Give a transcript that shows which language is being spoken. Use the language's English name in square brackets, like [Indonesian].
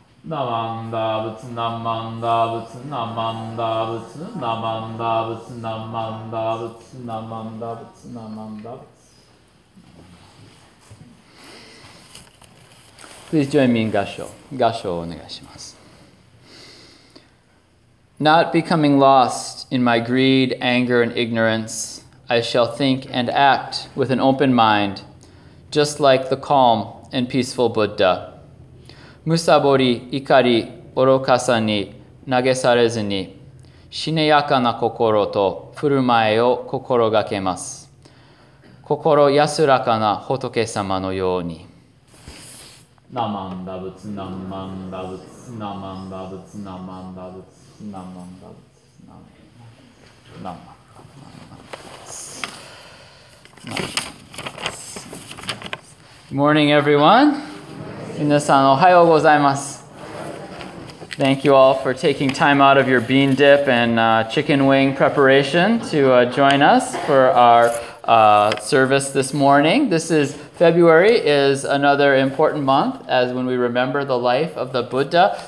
[Japanese] ナマンダーブツナマンダーブツナマンダーブツナマンダーブツナマンダーブツナマンダーブツナマンダーブツ。 [English] Please join me in Gassho. [Japanese] Gassho, お願いします。 [English] Not becoming lost in my greed, anger, and ignorance, I shall think and act with an open mind, just like the calm and peaceful Buddha. [Japanese] むさぼり、怒り、愚かさに投げされずに、しねやかな心と振る舞いを心がけます。心安らかな仏様のように。ナマンダブツ、ナマンダブツ、ナマンダブツ、ナマンダブツ、ナマンダブツ、ナマンダブツ、ナマンダブツ。 [English] Good morning, everyone. [Japanese] 皆さん、おはようございます。 [English] Thank you all for taking time out of your bean dip and、chicken wing preparation to、join us for our、service this morning. This is February is another important month as when we remember the life of the Buddha.